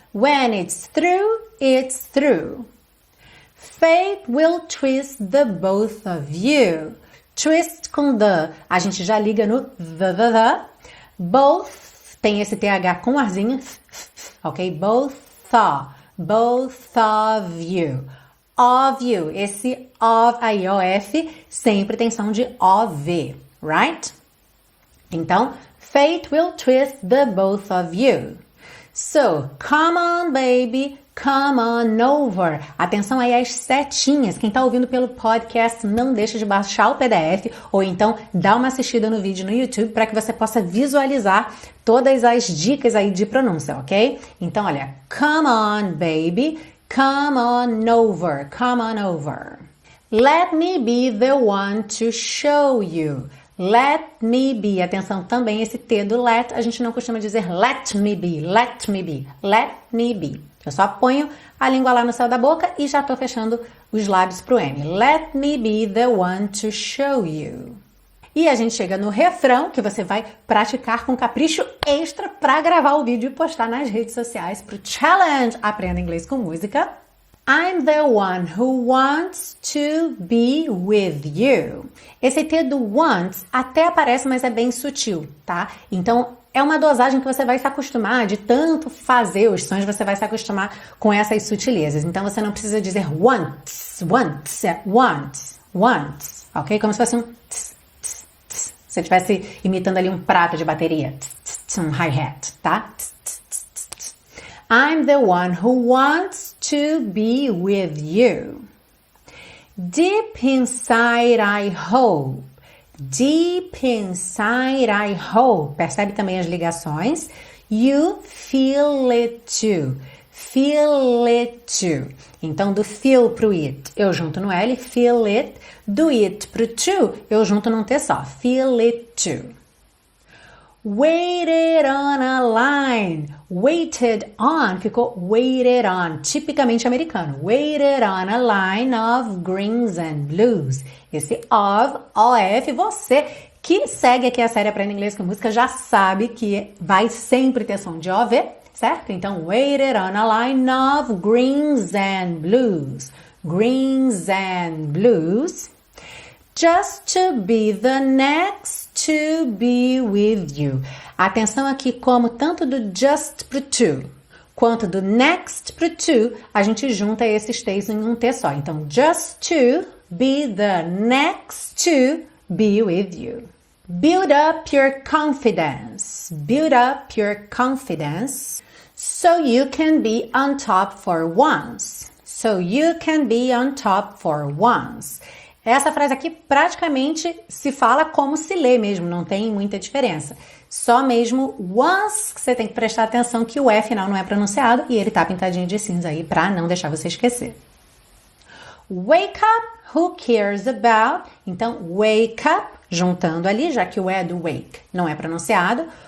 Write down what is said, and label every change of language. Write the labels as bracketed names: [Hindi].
[English] When it's through, fate will twist the both of you. [Portuguese] Twist com the, a gente já liga no the, both, tem esse th com arzinho, ok? [English] Both of you. [Portuguese] Of you, esse of aí, O-F, sempre tem som de O-V. Right? [English] Então, fate will twist the both of you. So, come on, baby, come on over. [Portuguese] Atenção aí às setinhas. Quem está ouvindo pelo podcast, não deixa de baixar o PDF ou então dá uma assistida no vídeo no YouTube para que você possa visualizar todas as dicas aí de pronúncia, ok? Então, olha, [English] come on, baby, Come on over, come on over. Let me be the one to show you. Let me be. [Portuguese] Atenção também, esse T do let, a gente não costuma dizer let me be, let me be, let me be. Eu só ponho a língua lá no céu da boca e já estou fechando os lábios pro M. [English] Let me be the one to show you. [Portuguese] E a gente chega no refrão, que você vai praticar com capricho extra para gravar o vídeo e postar nas redes sociais pro challenge Aprenda Inglês com Música. [English] I'm the one who wants to be with you. [Portuguese] Esse T do wants até aparece, mas é bem sutil, tá? Então, é uma dosagem que você vai se acostumar, de tanto fazer os sons, você vai se acostumar com essas sutilezas. Então, você não precisa dizer wants, wants, wants, wants, ok? Como se fosse um tss, tss, tss. Se você estivesse imitando ali um prato de bateria, tss, tss, tss, um hi-hat, tá? Tss, tss, tss, tss, tss. [English] I'm the one who wants to be with you. Deep inside I hope. Deep inside I hope. [Portuguese] Percebe também as ligações. [English] You feel it too. Feel it too. [Portuguese] Então, do feel pro it, eu junto no L, feel it. Do it pro to, eu junto num T só. Feel it too. [English] Waited on a line. Waited on, [Portuguese] ficou [English] waited on, [Portuguese] tipicamente americano. [English] Waited on a line of greens and blues. [Portuguese] Esse of, O-F, você que segue aqui a série Aprenda Inglês com Música já sabe que vai sempre ter som de O-V, certo? [English] Então, waited on a line of greens and blues. Greens and blues. Just to be the next to be with you. [Portuguese] Atenção aqui, como tanto do just pro to, quanto do next pro to, a gente junta esses T's em um T só. [English] Então, just to be the next to be with you. Build up your confidence. Build up your confidence. So you can be on top for once. So you can be on top for once. [Portuguese] Essa frase aqui praticamente se fala como se lê mesmo, não tem muita diferença. Só mesmo once que você tem que prestar atenção que o E final não é pronunciado e ele tá pintadinho de cinza aí pra não deixar você esquecer. [English] Wake up, who cares about? [Portuguese] Então, wake up, juntando ali, já que o E do wake não é pronunciado.